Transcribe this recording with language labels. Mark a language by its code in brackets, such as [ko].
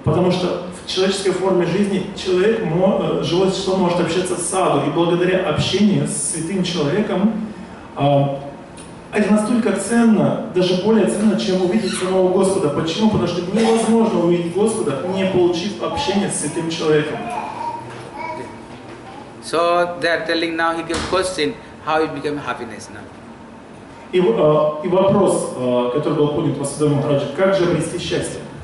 [ru] Потому что в человеческой форме жизни человек, живое существо может общаться с саду, и благодаря общению с святым человеком, это настолько ценно, даже более ценно, чем увидеть самого Господа. Почему? Потому что невозможно увидеть Господа, не получив общения с святым человеком. [en] So they are telling now he gives question how he became happiness now. [ru] И вопрос, который был поднят по Святому Махараджу, как же обрести счастье?